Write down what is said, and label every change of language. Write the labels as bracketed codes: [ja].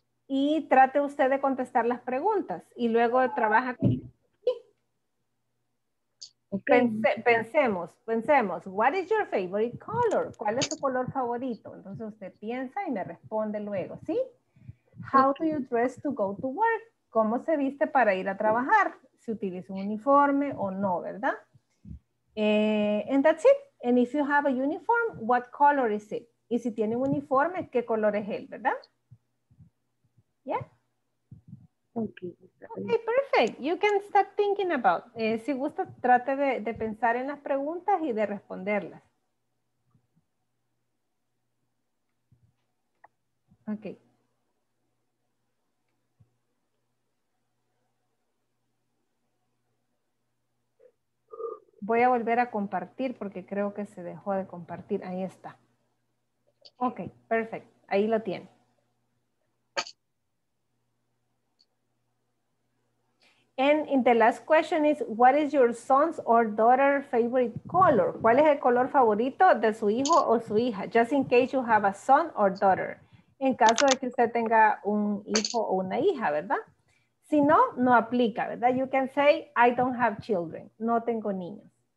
[es] Y trate usted de contestar las preguntas y luego trabaja aquí. [en] Okay. [es] Pensemos. [en] What is your favorite color? [es] ¿Cuál es su color favorito? Entonces usted piensa y me responde luego, ¿sí? [en] How do you dress to go to work? [es] ¿Cómo se viste para ir a trabajar? ¿Si utiliza un uniforme o no, verdad? [en] And that's it. And if you have a uniform, what color is it? [es] Y si tiene un uniforme, ¿qué color es él, verdad? [en] Yeah. Okay. Okay, perfect. You can start thinking about. [es] Si gusta, trate de pensar en las preguntas y de responderlas. [en] Okay. [es] voy a volver a compartir porque creo que se dejó de compartir. Ahí está. Ok, perfecto. Ahí lo tiene. [en] And the last question is, what is your son's or daughter's favorite color? [es] ¿Cuál es el color favorito de su hijo o su hija? [en] Just in case you have a son or daughter. [es] En caso de que usted tenga un hijo o una hija, ¿verdad? Si no, no aplica, ¿verdad? [en] You can say, I don't have children. [es] No tengo niños.